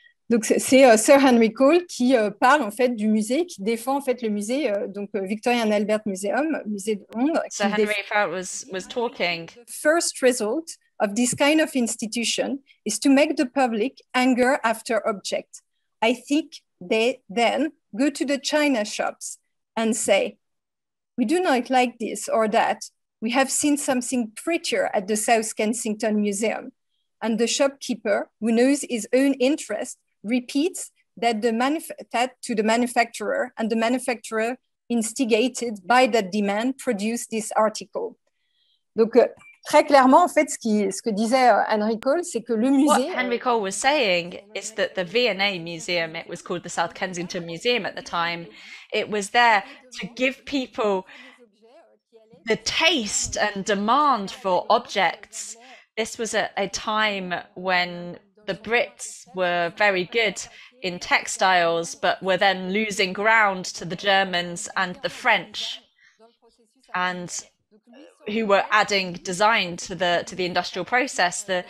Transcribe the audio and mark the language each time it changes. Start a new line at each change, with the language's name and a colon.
French: Donc c'est Sir Henry Cole qui parle en fait du musée, qui défend en fait le musée, donc Victorian Albert Museum, musée de Londres.
English: Sir Henry Cole was talking. The first result of this kind of institution is to make the public hunger after objects. I think they then go to the China shops and say, we do not like this or that. We have seen something prettier at the South Kensington Museum. And the shopkeeper, who knows his own interest, repeats that to the manufacturer, and the manufacturer, instigated by that demand, produced this article.
French: Donc très clairement, en fait, ce que disait Henry Cole, c'est que le musée.
English: What Henry Cole was saying is that the V&A Museum, it was called the South Kensington Museum at the time, it was there to give people the taste and demand for objects. This was a time when the Brits were very good in textiles, but were then losing ground to the Germans and the French, and who were adding design to the industrial process.